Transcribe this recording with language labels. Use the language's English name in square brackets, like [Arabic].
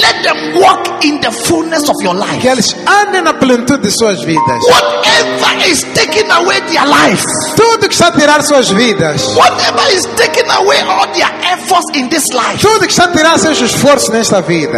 [English] Let them walk in the fullness of your life. [Portuguese] Que eles andem na plenitude de suas vidas. [English] Whatever is taking away their life. [Portuguese] Tudo que está a tirar suas vidas. [English] Whatever is taking away all their efforts in this life. [Portuguese] Tudo que está a tirar seus esforços nesta vida.